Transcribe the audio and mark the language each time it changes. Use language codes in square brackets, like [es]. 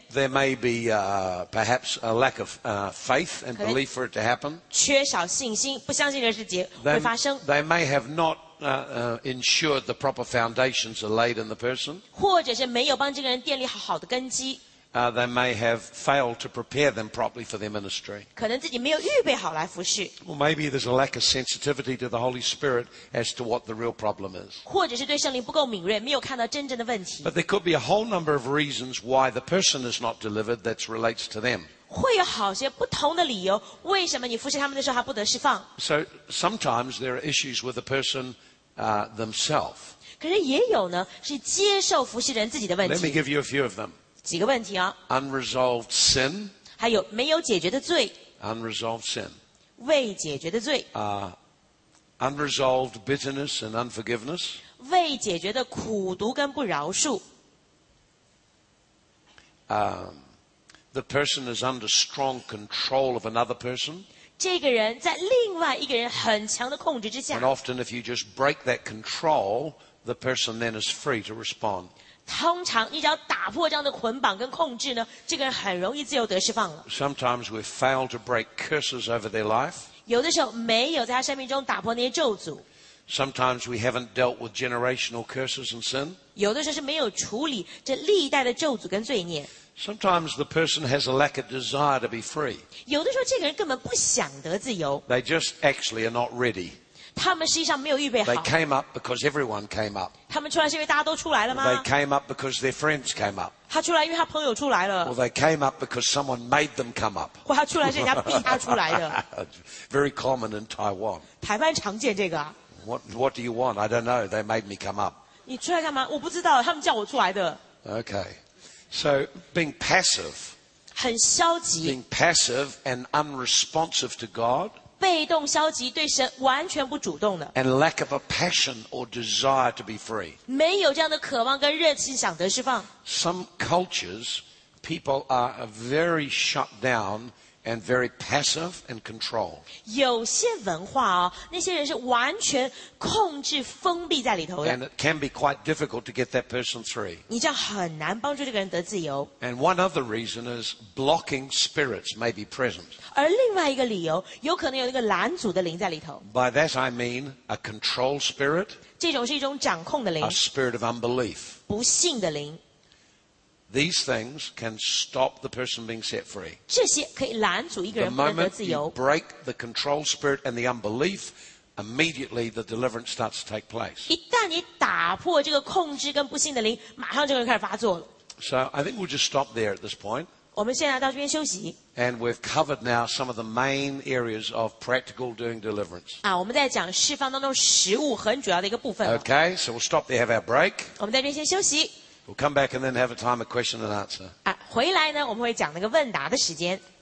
[en] There may be perhaps a lack of faith and belief for it to happen. [zh] 缺少信心,不相信这事会发生。 [en] They may have not ensured the proper foundations are laid in the person. They may have failed to prepare them properly for their ministry. Or maybe there's a lack of sensitivity to the Holy Spirit as to what the real problem is. But there could be a whole number of reasons why the person is not delivered that relates to them. So sometimes there are issues with the person themselves. [zh] 可是也有呢, [en] Let me give you a few of them. [zh] 几个问题啊, [en] unresolved sin. [zh] 还有没有解决的罪 [en] unresolved sin [zh] 未解决的罪 [en] unresolved bitterness and unforgiveness [zh] 未解决的苦毒跟不饶恕 [en] the person is under strong control of another person [zh] 这个人在另外一个人很强的控制之下 [en] And often if you just break that control The person then is free to respond [zh] 通常你只要打破这样的捆绑跟控制呢这个人很容易自由得释放了 [en] Sometimes we fail to break curses over their life [zh] 有的时候没有在他生命中打破那些咒诅 [en] Sometimes we haven't dealt with generational curses and sin [zh] 有的时候是没有处理这历代的咒诅跟罪孽 [en] Sometimes the person has a lack of desire to be free. [zh] 有的时候这个人根本不想得自由。 [en] They just actually are not ready. [zh] 他们实际上没有预备好。 [en] They came up because everyone came up. [zh] 他们出来是因为大家都出来了吗 [en] ？They came up because their friends came up. [zh] 他出来因为他朋友出来了。 [en] Or they came up because someone made them come up. [zh] 或他出来是人家逼他出来的。 [en] Very common in Taiwan. [zh] 台湾常见这个。 [en] What do you want? I don't know. They made me come up. [zh] 你出来干嘛？我不知道，他们叫我出来的。 [en] Okay. So, being passive, [zh] 很消极 [en] being passive and unresponsive to God, [zh] 被动消极对神完全不主动的 [en] and lack of a passion or desire to be free, [zh] 没有这样的渴望跟热情想得释放 [en] Some cultures, people are very shut down and very passive and controlled. [zh] 有些文化哦，那些人是完全控制封闭在里头的。 [en] And it can be quite difficult to get that person free. [zh] 你这样很难帮助这个人得自由。 [en] And one other reason is blocking spirits may be present. [zh] 而另外一个理由，有可能有那个拦阻的灵在里头。 [en] By that I mean a control spirit. [zh] 这种是一种掌控的灵。 [en] A spirit of unbelief. [zh] 不信的灵。 [en] These things can stop the person being set free. [zh] 这些可以拦阻一个人不能得自由。 [en] The moment you break the control spirit and the unbelief, immediately the deliverance starts to take place. [zh] 一旦你打破这个控制跟不信的灵，马上这个人开始发作了。 [en] So I think we'll just stop there at this point. [zh] 我们现在到这边休息。 [en] And we've covered now some of the main areas of practical doing deliverance. [zh] 啊，我们在讲释放当中实务很主要的一个部分。 [en] Okay, so we'll stop there, have our break. [zh] 我们在这边先休息。 [en] We'll come back and then have a time of question and answer. [zh] 回来呢，我们会讲那个问答的时间。